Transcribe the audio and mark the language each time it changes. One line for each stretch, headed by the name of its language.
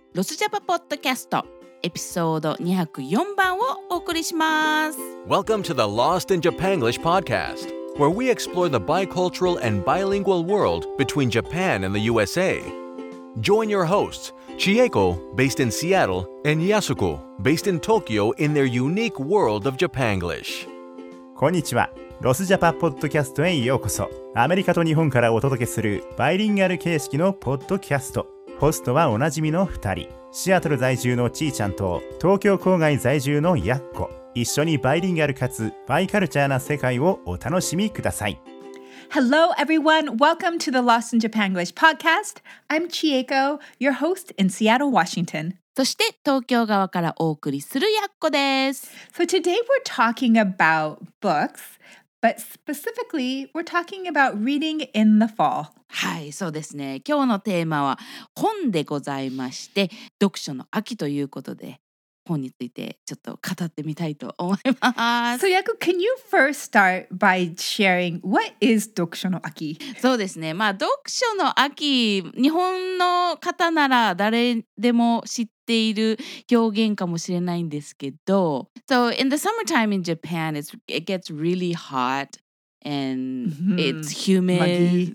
Japanese: ロスジャパポッドキャスト、エピソード204番をお送りします。
English: Welcome to the Lost in Japan English podcast, where we explore the bicultural and bilingual world between Japan and the USA. Join your hosts, Chieko, based in Seattle, and Yasuko, based in Tokyo, in their unique world of Japanglish.
Japanese: こんにちは。ロスジャパポッドキャストへようこそ。アメリカと日本からお届けするバイリンガル形式のポッドキャスト。ホストはおなじみの2人、シアトル在住のちーちゃんと東京郊外在住のやっこ。一緒にバイリンガルかつバイカルチャーな世界をお楽しみください。
English: Hello everyone, welcome to the Lost in Japan English podcast. I'm Chieko, your host in Seattle, Washington.
Japanese: そして東京側からお送りするやっこです。
English: So today we're talking about booksBut specifically, we're talking about reading in the fall.
Japanese: はい、そうですね。今日のテーマは本でございまして、読書の秋ということで、本についてちょっと語ってみたいと思います。
English: So, Yaku, can you first start by sharing what is 読書の秋?
Japanese: そうですね。まあ、読書の秋、日本の方なら誰でも知っている表現かもしれないんですけど、
English: So, in the summertime in Japan, it gets really hot and it's humid.